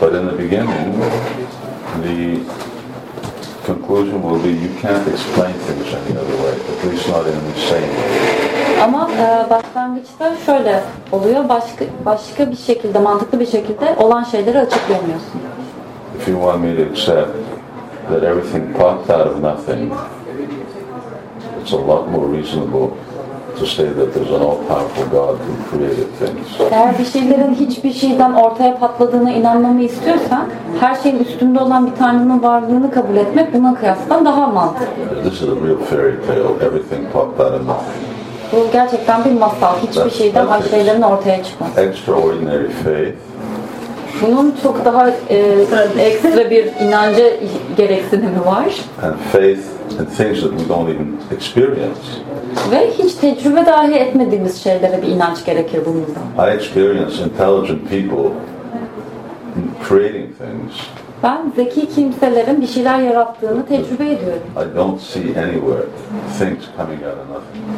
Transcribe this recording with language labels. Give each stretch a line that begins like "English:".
English: But in the beginning, the conclusion will be you can't explain things any other way, at least not in the same way.
Turkish: Ama başlangıçta şöyle oluyor, başka bir şekilde, mantıklı bir şekilde olan şeyleri açıklayamıyorsun.
English: If you want me to accept that everything popped out of nothing, it's a lot more reasonable to say that there's an all-powerful God who created things.
Turkish: Eğer bir şeylerin hiçbir şeyden ortaya patladığını inanmamı istiyorsan, her şeyin üstünde olan bir Tanrı'nın varlığını kabul etmek buna kıyasla daha mantıklı.
English: This is a real fairy tale. Everything popped out of nothing.
Turkish: Bu gerçekten bir masal. Hiçbir şeyden her şeylerin ortaya çıkması.
English: Extraordinary faith.
Turkish: Bunun çok daha ekstra bir inanca gereksinimi var.
English: And faith in things that we don't even experience.
Turkish: Ve hiç tecrübe dahi etmediğimiz şeylere bir inanç gerekir bununla.
English: I experience intelligent people creating things.
Turkish: Ben zeki kimselerin bir şeyler yarattığını tecrübe ediyorum.
English: I don't see anywhere things coming out of nothing.